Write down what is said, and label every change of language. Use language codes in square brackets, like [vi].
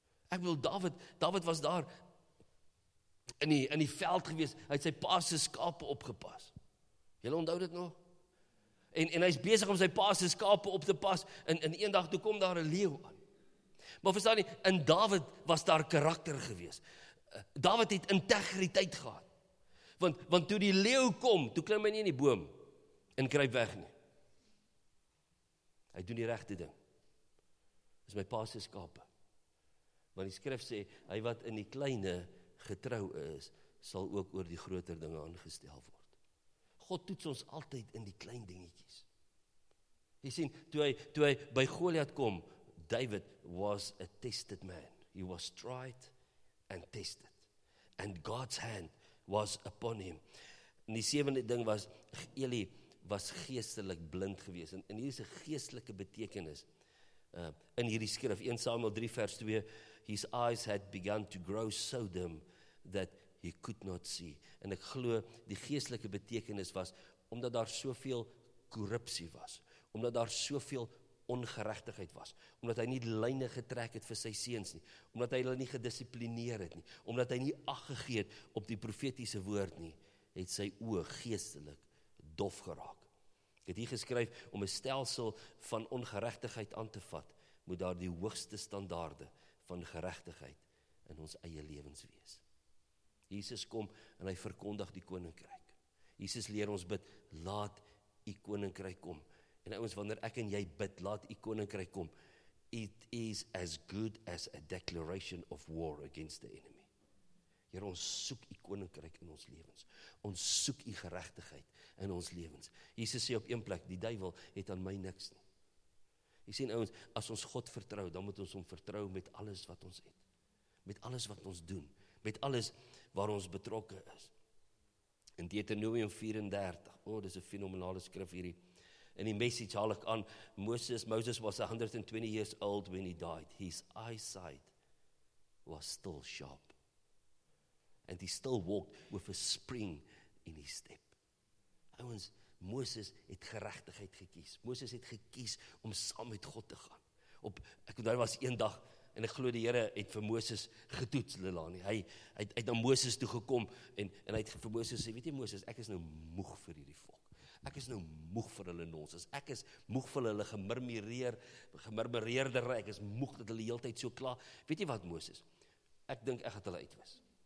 [af] Ek wil David was daar in die veld gewees, hy het sy pa se skape opgepas. Julle onthou dit nog? En hy is besig om sy pa se skape op te pas, en een dag toe kom daar 'n leeu aan. Maar verstaan jy, in David was daar karakter gewees. David het integriteit gehad. Want toe die leeu kom, toe klim hy nie in die boom en kruip weg nie. Hy doen die regte ding. Dis my pa se skape. Want die skrif sê, hy wat in die kleine getrou is, sal ook oor die groter dinge aangestel word. God toets ons altyd in die klein dingetjies. Jy sien, toe hy by Goliath kom, [en] David was a tested man. He was tried and tested. And God's hand was upon him. [af] En die sewende ding was, Eli was geestelik blind gewees. En hier is 'n geestelike betekenis in hierdie skrif. [en] 1 Samuel 3 vers 2, his eyes had begun to grow so dim that he could not see. [af] En ek glo die geestelike betekenis was, omdat daar soveel korrupsie was, omdat daar soveel ongeregtigheid was, omdat hy nie lyne getrek het vir sy seuns nie, omdat hy hulle nie gedissiplineer het nie, omdat hy nie ag gegee het op die profetiese woord nie, het sy oë geestelik dof geraak. Ek het hier geskryf, om 'n stelsel van ongeregtigheid aan te vat, moet daar die hoogste standaarde van geregtigheid in ons eie lewens wees. Jesus kom en hy verkondig die koninkryk. Jesus leer ons bid, laat u koninkryk kom. En ouens, wanneer ek en jy bid, laat u koninkryk kom, [en] it is as good as a declaration of war against the enemy. [af] Heer, ons soek u koninkryk in ons lewens. Ons soek u geregtigheid in ons lewens. Jesus sê op een plek, die duiwel het aan my niks nie. Jy sien ouens, as ons God vertrou, dan moet ons hom vertrou met alles wat ons het. Met alles wat ons doen. Met alles waar ons betrokke is. In Deuteronomium 34, oh, dis 'n fenomenale skrif hierdie, in die message haal ek aan, [en] Moses was 120 years old when he died. His eyesight was still sharp. And he still walked with a spring in his step. [af] Ouens, Moses het geregtigheid gekies. Moses het gekies om saam met God te gaan. Daar was een dag, en ek glo die Here het vir Moses getoets, Lelani. Hy het na Moses toe gekom en hy het vir Moses sê, weet jy Moses, ek is nou moeg vir hierdie volk. Ek is nou moeg vir hulle nonsens. Ek is moeg vir hulle gemurmureerdery. Ek is moeg dat hulle heeltyd so kla. Weet jy wat Moses? Ek dink ek gaan hulle uitwis.